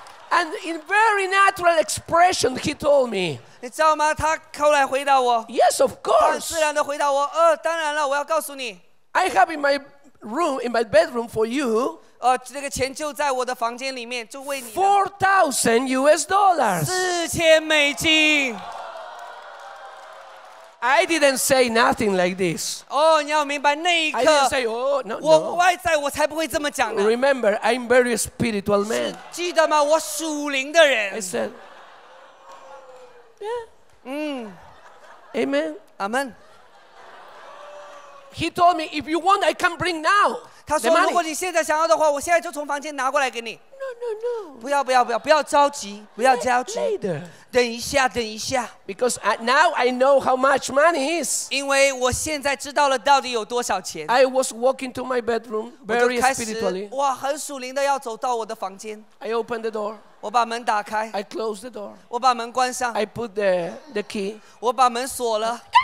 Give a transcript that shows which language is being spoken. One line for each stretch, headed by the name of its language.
English: ？And in very natural expression, he told me.
Chinese: 你知道吗？他后来回答我。
English: Yes, of course.
Chinese: 他很自然的回答我。当然了，我要告诉你。
English: I have in my room, in my bedroom for you.
Chinese: 这个钱就在我的房间里面，就为你。
English: $4,000。
Chinese: $4,000。
English: I didn't say nothing like this.
Chinese: 你要明白那一刻。
English: I didn't say, no.
Chinese: 我外在我才不会这么讲呢。
English: Remember, I'm very spiritual man.
Chinese: 记得吗？我属灵的人。
English: I said, yeah. Amen. Amen. He told me, if you want, I can bring now.
Chinese: 他说：“如果你现在想要的话，我现在就从房间拿过来给你。
English: ”No.
Chinese: 不要不要不要不要着急，不要着急。
English: Later.
Chinese: 等一下，等一下。
English: Because now I know how much money is.
Chinese: 因为我现在知道了到底有多少钱。
English: I was walking to my bedroom very spiritually.
Chinese: 哇，很属灵的要走到我的房间。
English: I opened the door.
Chinese: 我把门打开。
English: I closed the door.
Chinese: 我把门关上。
English: I put the key.
Chinese: 我把门锁了。